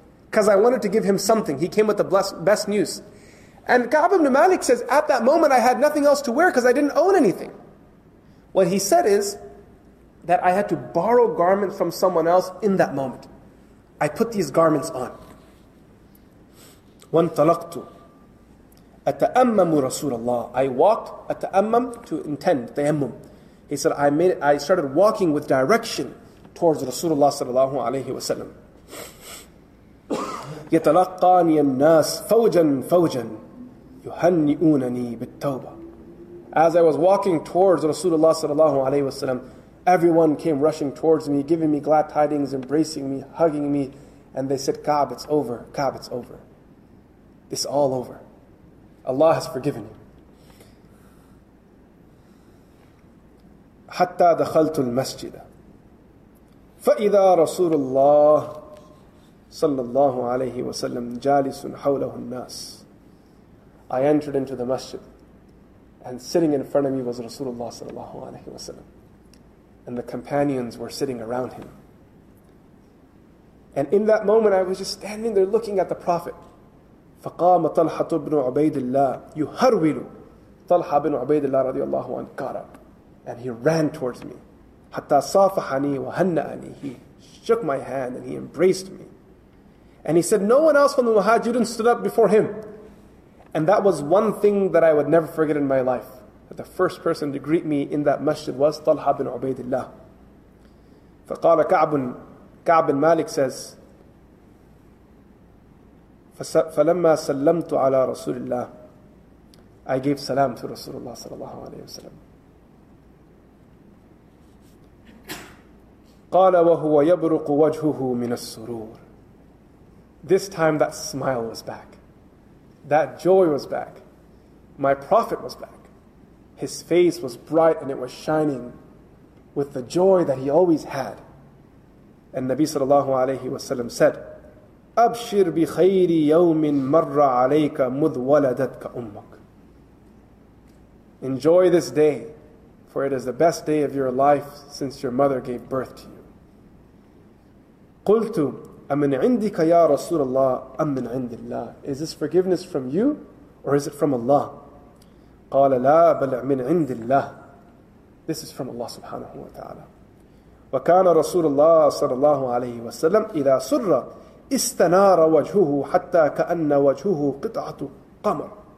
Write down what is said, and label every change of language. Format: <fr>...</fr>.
<en>Because I wanted to give him something. He came with the best news. And Ka'b ibn Malik says, at that moment I had nothing else to wear because I didn't own anything. What he said is that I had to borrow garments from someone else in that moment. I put these garments on.</en> <ar>وَانْطَلَقْتُ أَتَأَمَّمُ رَسُولَ اللَّهِ,</ar> <en>I walked,</en> <ar>أَتَأَمَّم,</ar> <en>to intend,</en> <ar>تَأَمَّم.</ar> <en>He said, I started walking with direction towards Rasulullah sallallahu alayhi wa sallam.</en> <ar>يَتَلَقَّانِي النَّاسِ فَوْجًا فَوْجًا يُهَنِّئُونَنِي بِالتَّوْبَةِ.</ar> <en>As I was walking towards Rasulullah sallallahu alayhi wa sallam, everyone came rushing towards me, giving me glad tidings, embracing me, hugging me, and they said, Ka'b, it's over, Ka'b, it's over. It's all over. Allah has forgiven you.</en> <ar>حتى دخلت المسجد فإذا رسول الله صلى الله عليه وسلم جالس حوله الناس.</ar> <en>I entered into the masjid and sitting in front of me was Rasulullah صلى الله عليه وسلم and the companions were sitting around him. And in that moment I was just standing there looking at the Prophet.</en> <ar>فقام طلحة بن عبيد الله يهرول.</ar> <en>طلحة بن عبيد الله رضي الله عنه got up and he ran towards me.</en> <ar>حتى صافحني وهنأني,</ar> <en>he shook my hand and he embraced me. And he said, no one else from the Muhajirin stood up before him. And that was one thing that I would never forget in my life, that the first person to greet me in that masjid was طلحة بن عبيد الله.</en> <ar>فقال كعب,</ar> <en>كعب بن مالك says,</en> <ar>فلما سلمت على رسول الله,</ar> <en>I gave salam to Rasulullah sallallahu alayhi wa sallam.</en> <ar>قال وهو يبرق وجهه من السرور.</ar> <en>This time that smile was back. That joy was back. My Prophet was back. His face was bright and it was shining with the joy that he always had. And Nabi sallallahu alayhi wa sallam said,</en> <ar>أبشر بخير يوم مر عليك مذ ولدتك أمك.</ar> <en>Enjoy this day, for it is the best day of your life since your mother gave birth to you.</en> <ar>قلت أمن عندك يا رسول الله أم من عند الله.</ar> <en>Is this forgiveness from you or is it from Allah?</en> <ar>قال لا بل من عند الله.</ar> <en>This is from Allah سبحانه وتعالى.</en> <ar>وكان رسول الله صلى الله عليه وسلم إذا سر استنار وجهه حتى كأن وجهه قطعة قمر.</ar>